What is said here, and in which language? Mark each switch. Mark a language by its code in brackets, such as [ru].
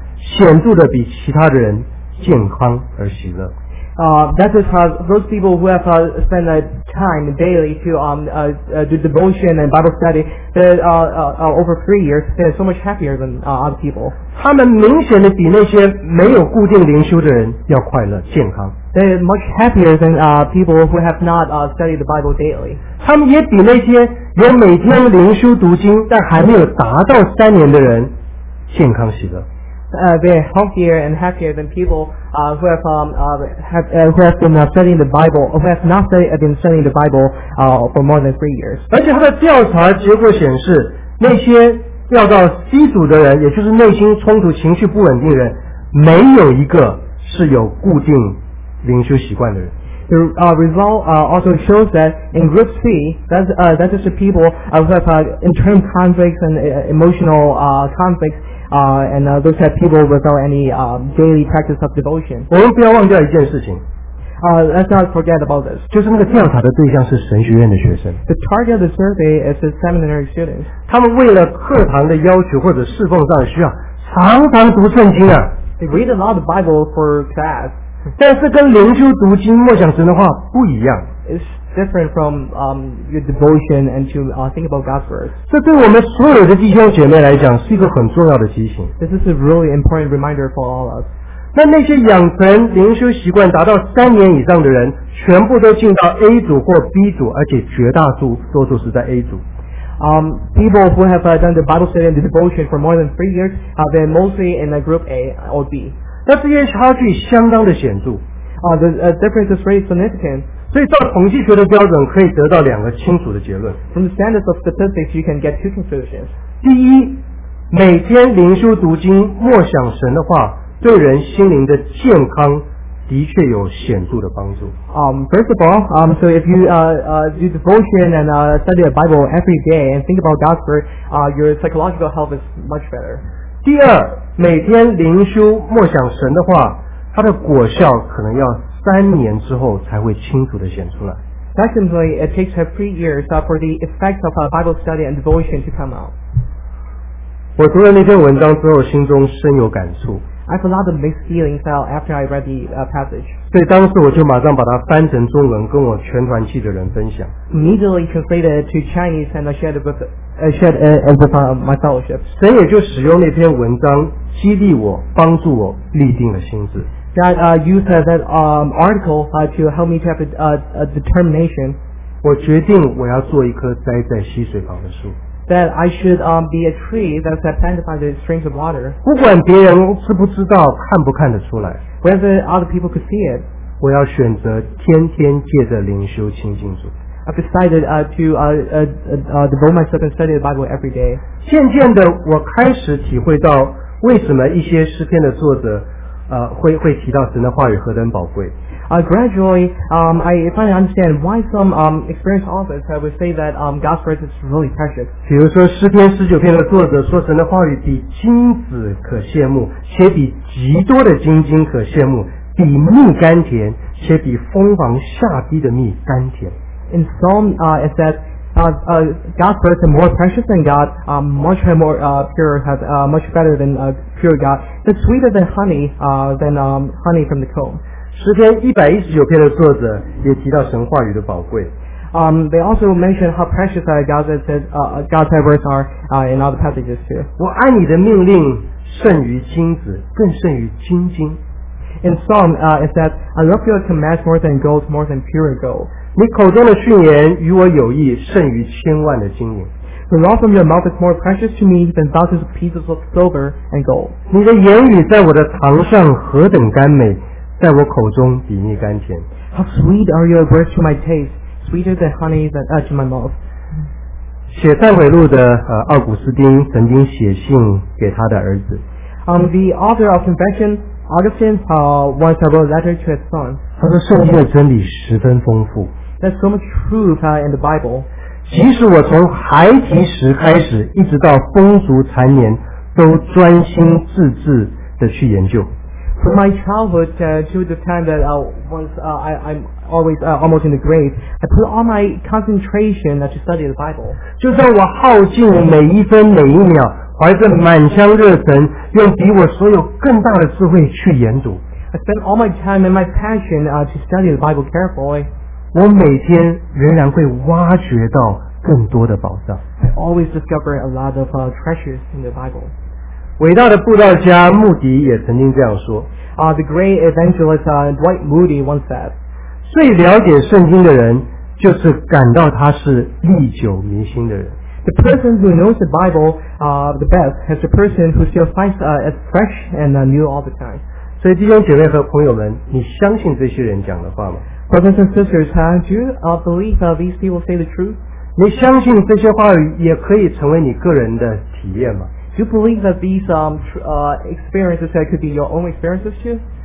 [zh] 显著的比其他的人健康而喜乐。 [en] That is how those people who have spent time daily to do devotion and Bible study over 3 years, they are so much happier than other people. [zh] 他们明显的比那些没有固定灵修的人要快乐健康。 [en] They are much happier than people who have not studied the Bible daily. [zh] 他们也比那些连每天灵修读经但还没有达到三年的人健康喜乐。 [en] They are healthier and happier than people who have not been studying the Bible for more than 3 years. [zh] 而且他的调查结果显示，那些掉到 C 组的人，也就是内心冲突、情绪不稳定的人，没有一个是有固定灵修习惯的人。 [en] The result also shows that in Group C, that is the people who have internal conflicts and emotional conflicts. Those type of people without any daily practice of devotion. [zh] 我们不要忘掉一件事情。 [en] Let's not forget about this. [zh] 就是那个调查的对象是神学院的学生。 [en] The target of the survey is the seminary students. [zh] 他们为了课堂的要求或者侍奉上的需要，常常读圣经啊。 [en] They read a lot of Bible for class. [zh] 但是跟灵修读经默想神的话不一样。 [en] It's different from your devotion and to think about God's word. [zh] 这对我们所有的弟兄姐妹来讲是一个很重要的提醒。 [en] This is a really important reminder for all of us. [zh] 那些养成灵修习惯达到三年以上的人，全部都进到 A 组或 B 组，而且绝大多数是在 A 组。 [en] People who have done the Bible study and the devotion for more than 3 years, they're mostly in a group A or B. [zh] 那这些差距相当的显著。 [en] The difference is very significant. [zh] 所以照统计学的标准可以得到两个清楚的结论。 [en] From the standards of statistics, you can get two conclusions. [zh] 第一，每天灵修读经默想神的话对人心灵的健康的确有显著的帮助。 [en] First of all, so if you do devotion and study the Bible every day and think about God's word, your psychological health is much better. [zh] 第二，每天灵修默想神的话它的果效可能要三年之后才会清楚地显出来。 [en] Secondly, it takes 3 years for the effects of Bible study and devotion to come out. [zh] 我读了那篇文章之后，心中深有感触。 [en] I have a lot of mixed feelings after I read the passage. [zh] 所以当时我就马上把它翻成中文，跟我全团契的人分享。 [en] Immediately translated to Chinese and shared with shared and profound of my fellowship. [zh] 神也就使用那篇文章激励我，帮助我立定了心志。 [en] God used that article to help me to have a determination. [zh] 我决定我要做一棵栽在溪水旁的树。 [en] That I should be a tree that's planted by the streams of water. [zh] 不管别人知不知道，看不看得出来。 [en] Whether other people could see it. [zh] 我要选择天天借着灵修亲近主。 [en] I've decided devote myself and study the Bible every day. [zh] 渐渐的，我开始体会到为什么一些诗篇的作者。会提到神的话语何等宝贵。 [en] Gradually, I finally understand why some experienced authors have would say that God's word is really precious. [zh] 比如说诗篇十九篇的作者说神的话语比金子可羡慕，且比极多的金金可羡慕，比蜜甘甜，且比蜂王下滴的蜜甘甜。 [en] In Psalm, it says, God's word is more precious than God, much more pure, much better than pure God. It's sweeter than honey, honey from the comb. [zh] 诗篇119篇的作者也提到神话语的宝贵。 [en] They also mention how precious God's words are in other passages too. [zh] 我爱你的命令胜于金子，更胜于金金。 [en] In Psalm, it says, I love your commands more than gold, more than pure gold. [zh] 你口中的训言与我有益，胜于千万的金银。 [en] The law from your mouth is more precious to me than thousands of pieces of silver and gold. [zh] 你的言语在我的堂上何等甘美，在我口中比蜜甘甜。 [en] How sweet are your words to my taste, sweeter than honey that to my mouth. [zh] 写忏悔录的奥古斯丁曾经写信给他的儿子。 [en] The author of Confession,Augustine once wrote a letter to his son. [zh] 他说圣经的真理十分丰富。 [en] There's so much truth in the Bible. [zh] 即使我从孩提时开始，一直到风烛残年，都专心致志的去研究。 [en] From my childhood to the time that I'm always almost in the grave, I put all my concentration to study the Bible. [zh] 就算我耗尽每一分每一秒。怀着满腔热忱，用比我所有更大的智慧去研读。 [en] I spend all my time and my passion to study the Bible carefully. [zh] 我每天仍然会挖掘到更多的宝藏。 [en] I always discover a lot of treasures in the Bible. [zh] 伟大的布道家穆迪也曾经这样说。 [en] The great evangelist Dwight Moody once said, [zh] 最了解圣经的人，就是感到它是历久弥新的人。 [en] The person who knows the Bible the best is the person who still finds it fresh and new all the time. [zh] 所以弟兄姐妹和朋友们，你相信这些人讲的话吗？ [en] Brothers and sisters, do you believe these people say the truth? [zh] 你相信这些话语也可以成为你个人的体验吗？ [en] Do you believe that these experiences that could be your own experiences too?